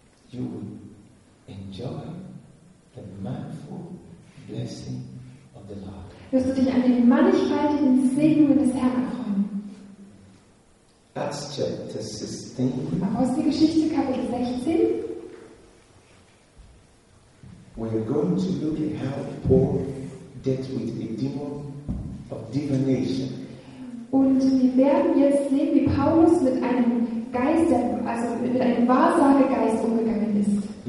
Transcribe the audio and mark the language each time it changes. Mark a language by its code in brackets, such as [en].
[en] You will enjoy the manifold blessing of the Lord. [de] Wirst du dich an den mannigfaltigen Segnungen des Herrn erfreuen? [en] Acts chapter 16. [de] Apostelgeschichte Kapitel 16. [en] We are going to look at how Paul dealt with a demon of divination. [de] Und wir werden jetzt sehen, wie Paulus mit einem Geist, also mit einem Wahrsagegeist umgegangen ist.